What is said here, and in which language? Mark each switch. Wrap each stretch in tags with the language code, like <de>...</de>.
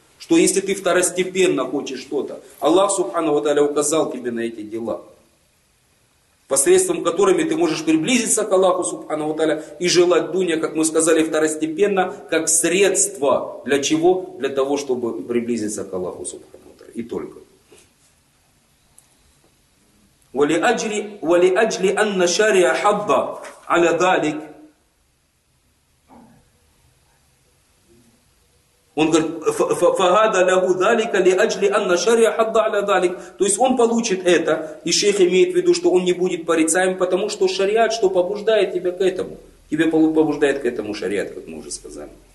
<ru>Что если ты второстепенно хочешь что-то, Аллах Субхану ва Тааля указал тебе на эти дела, посредством которыми ты можешь приблизиться к Аллаху Субхану ва Тааля и желать дунья, как мы сказали, второстепенно, как средство. Для чего? Для того, чтобы приблизиться к Аллаху Субхану ва Тааля. И только.</ru> <ar>ولأجل أن الشارع حب على ذلك.</ar> <ru>Он говорит,</ru> <ar>فهذا له ذلك لأجل أن الشارع حب على ذلك.</ar> <ru>То есть он получит это, и шейх имеет в виду, что он не будет порицаем, потому что шариат, что побуждает тебя к этому, тебе побуждает к этому шариат, как мы уже сказали.</ru>